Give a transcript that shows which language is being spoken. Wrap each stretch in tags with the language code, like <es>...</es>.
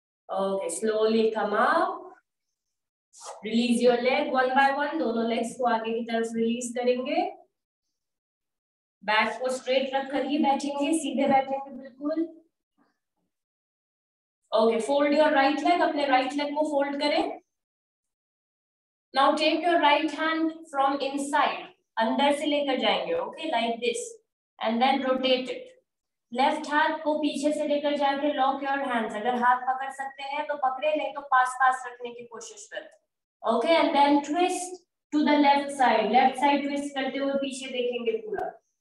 <en>Okay, slowly come up. Release your leg one by one.</en> <hi>Dono legs ko aage ki taraf release karenge. Back को straight रख कर ही बैठेंगे, सीधे बैठेंगे बिल्कुल.</hi> <en>Okay, fold your right leg,</en> <hi>अपने right leg को fold करें.</hi> <en>Now take your right hand from inside,</en> <hi>अंदर से लेकर जाएंगे,</hi> <en>okay, like this, and then rotate it.</en> <hi>Left hand को पीछे से लेकर जाके</hi> <en>lock your hands.</en> <hi>अगर हाथ पकड़ सकते हैं तो पकड़े, नहीं तो पास पास रखने की कोशिश करें.</hi> <en>Okay, and then twist to the left side twist</en> <hi>करते हुए पीछे देखेंगे पूरा.</hi>